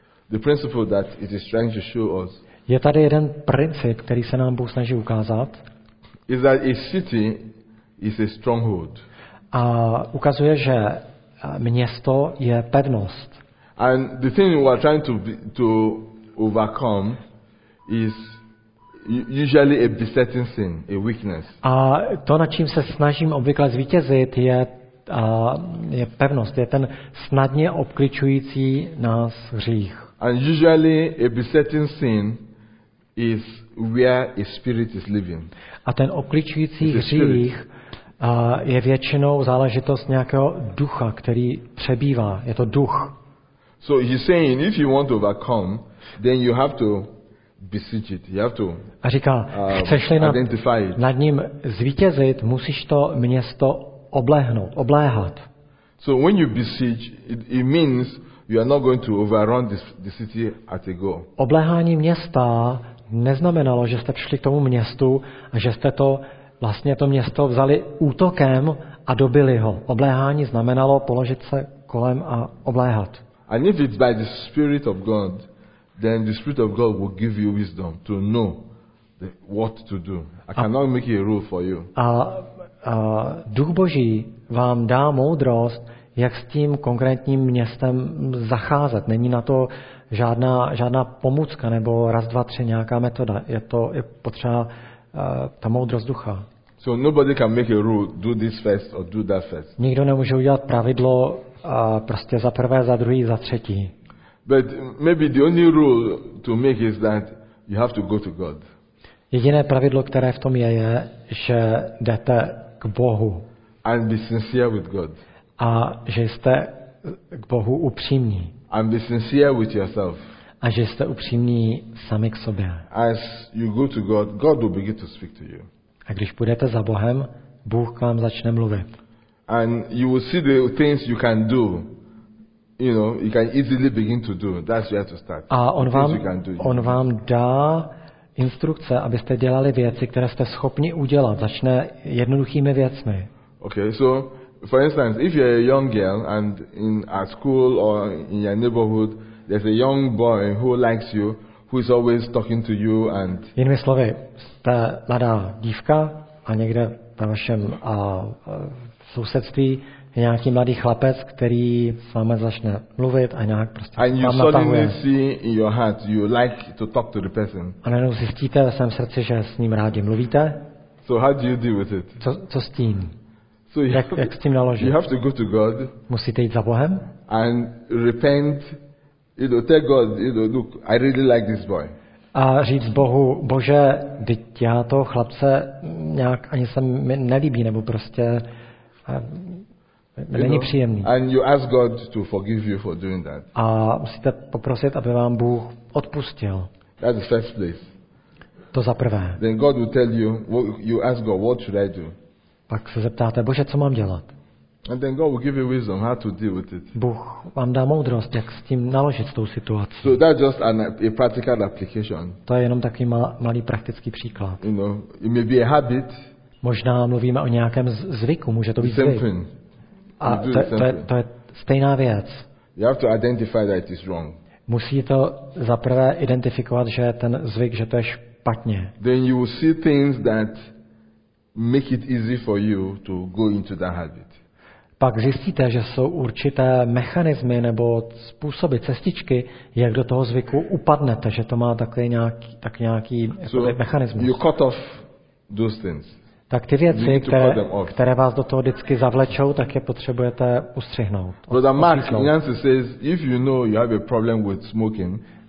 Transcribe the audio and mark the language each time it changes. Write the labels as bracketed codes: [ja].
[en] The principle that it is trying to show us. [cs] Je tady jeden princip, který se nám Bůh snaží ukázat. [en] Is that a city is a stronghold. [cs] A ukazuje, že město je pevnost. [en] And the thing we are trying to overcome is usually a besetting sin, a weakness. [cs] A to, na čím se snažím obvykle zvítězit, je je pevnost, je ten snadně obklíčující nás hřích. [en] And usually a besetting sin is where a spirit is living. [cs] A ten obklíčující hřích je většinou záležitost nějakého ducha, který přebývá. Je to duch. [en] So he's saying if you want to overcome, then you have to besiege it. You have to. [cs] A říká, chceš-li nad ním zvítězit, musíš to město oblehnout, obléhat. [en] So when you besiege, it means you are not going to overrun the city at a go. [cs] Obléhání města neznamenalo, že jste přišli k tomu městu a že jste to vlastně to město vzali útokem a dobili ho. Obléhání znamenalo položit se kolem a obléhat. [en] And if it's by the Spirit of God, then the Spirit of God will give you wisdom to know what to do. I cannot make a rule for you. [cs] A Duch Boží vám dá moudrost, jak s tím konkrétním městem zacházet. Není na to žádná pomůcka nebo raz, dva, tři nějaká metoda. Je to je potřeba ta moudrost ducha. [en] So nobody can make a rule, do this first or do that first. [cs] Nikdo nemůže udělat pravidlo prostě za prvé, za druhý, za třetí. [en] But maybe the only rule to make is that you have to go to God. [cs] Jediné pravidlo, které v tom je, že jdete k Bohu. [en] And be sincere with God. [cs] A že jste k Bohu upřímní. [en] And be sincere with yourself. [cs] A že jste upřímní sami k sobě. [en] As you go to God, God will begin to speak to you. [cs] A když půjdete za Bohem, Bůh k vám začne mluvit. [en] And you will see the things you can do. You know, you can easily begin to do. That's where to start. [cs] A on vám dá instrukce, abyste dělali věci, které jste schopni udělat. Začne jednoduchými věcmi. [en] Okay, so For instance, if you're a young girl and in at school or in your neighborhood, there's a young boy who likes you, who is always talking to you and. [cs] Jinými slovy, ta mladá dívka a někde na vašem sousedství je nějaký mladý chlapec, který s vámi začne mluvit a nějak prostě vám natahuje. [en] And you suddenly see in your heart you like to talk to the person. [cs] A najednou zjistíte ve svém srdci, že s ním rádi mluvíte. [en] So how do you deal with it? [cs] Co s tím? So jak s tím naložit? [en] You have to go to God. [cs] Musíte jít za Bohem. [en] And repent. You know, tell God, you know, look, I really like this boy. [cs] A říct Bohu, Bože, teď já toho chlapce nějak ani se mi nelíbí, nebo prostě není příjemný. [en] And you ask God to forgive you for doing that. [cs] A musíte poprosit, aby vám Bůh odpustil. [en] That's the first place. [cs] To za prvé. [en] Then God will tell you, you ask God, what should I do? [cs] Pak se zeptáte, Bože, co mám dělat? [en] And then God will give you wisdom how to deal with it. [cs] Bůh vám dá moudrost, jak s tím naložit s tou situací. [en] So that's just a practical application. [cs] To je jenom takový malý praktický příklad. [en] You know, it may be a habit. [cs] Možná mluvíme o nějakém zvyku, může to být zvyk. [en] Same thing. [cs] A to je stejná věc. [en] You have to identify that it is wrong. [cs] Musí to zaprvé identifikovat, že ten zvyk, že to je špatně. [en] Then you will see things that make it easy for you to go into that habit. [cs] Pak zjistíte, že jsou určité mechanismy nebo způsoby, cestičky, jak do toho zvyku upadnete, že to má takový nějaký mechanismus. [en] You cut off those things. [cs] Tak ty věci, které vás do toho vždycky zavlečou, tak je potřebujete ustřihnout. [en] Brother Mark Nancy says, if you know you have a problem with smoking,